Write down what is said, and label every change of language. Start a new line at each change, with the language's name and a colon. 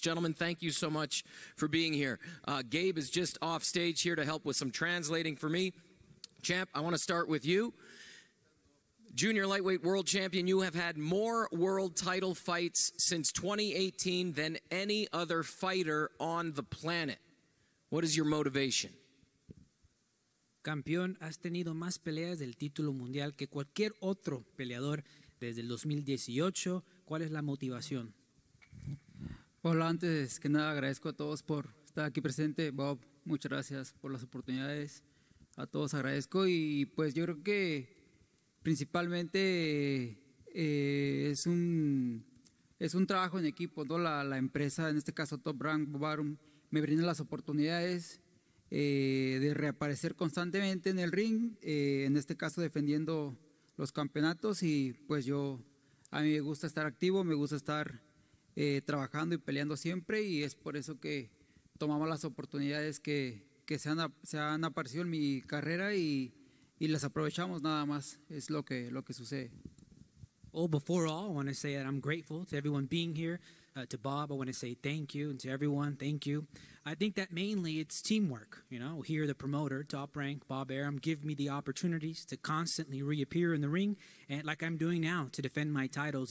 English: Gentlemen, thank you so much for being here. Gabe is just off stage here to help with some translating for me. Champ, I want to start with you. Junior lightweight world champion, you have had more world title fights since 2018 than any other fighter on the planet. What is your motivation?
Spanish: Campeón, has tenido más peleas del título mundial que cualquier otro peleador desde el 2018. ¿Cuál es la motivación? Hola, antes que nada agradezco a todos por estar aquí presente. Bob, muchas gracias por las oportunidades. A todos agradezco y pues yo creo que principalmente es un trabajo en equipo, ¿no? La empresa, en este caso Top Rank, Bob Arum, me brinda las oportunidades de reaparecer constantemente en el ring, en este caso defendiendo los campeonatos y pues yo... A mí me gusta estar activo, me gusta estar trabajando y peleando siempre y es por eso que tomamos las oportunidades que se han aparecido en mi carrera y las aprovechamos nada más, es lo que sucede.
English: Well, before all, I want to say that I'm grateful to everyone being here. To Bob, I want to say thank you, and to everyone, thank you. I think that mainly it's teamwork. You know, here the promoter, Top Rank, Bob Arum, give me the opportunities to constantly reappear in the ring, and like I'm doing now, to defend my titles.